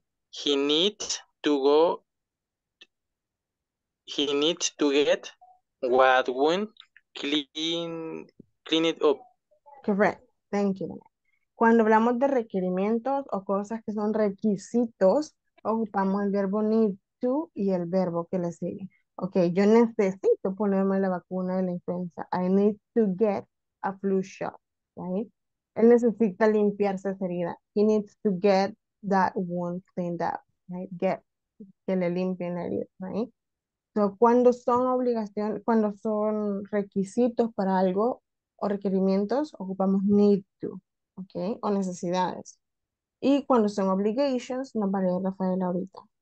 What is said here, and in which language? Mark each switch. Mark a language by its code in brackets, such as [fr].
[en] He needs to get what won't clean it up. Correct. Thank you. [es] Cuando hablamos de requerimientos o cosas que son requisitos, ocupamos el verbo need to y el verbo que le sigue. Ok, yo necesito ponerme la vacuna de la influenza. [en] I need to get a flu shot. Right? [es] Él necesita limpiarse esa herida. [en] He needs to get that wound cleaned up. [es] Right? Get, que le limpien la herida. Right? So, cuando son obligación, cuando son requisitos para algo o requerimientos, ocupamos need to, okay, o necesidades. Y cuando son obligations, no vale Rafael ahorita.